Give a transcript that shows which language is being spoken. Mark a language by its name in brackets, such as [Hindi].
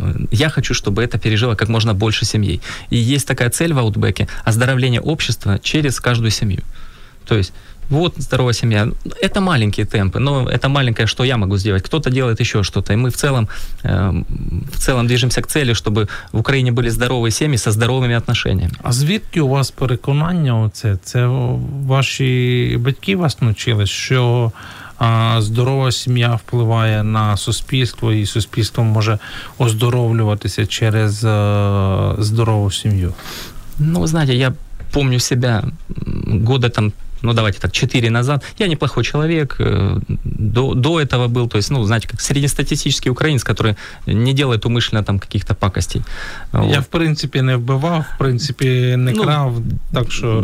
[Russian] Я хочу, чтобы это пережило как можно больше семей. И есть такая цель в Outback'е – оздоровление общества через каждую семью. То есть, вот здоровая семья. Это маленькие темпы, но это маленькое, что я могу сделать. Кто-то делает еще что-то. И мы в целом движемся к цели, чтобы в Украине были здоровые семьи со здоровыми отношениями. [Ukrainian] А звідки у вас переконання оце? Це ваші батьки вас навчили, що здорова сім'я впливає на суспільство, і суспільство може оздоровлюватися через здорову сім'ю? [Russian] Ну, знаєте, я помню себя года там, ну, давайте так, 4 назад. Я неплохой человек. До этого был, то есть, ну, знаете, как среднестатистический украинец, который не делает умышленно там каких-то пакостей. Я, вот, в принципе, не вбивал, в принципе, не крав, ну, так что...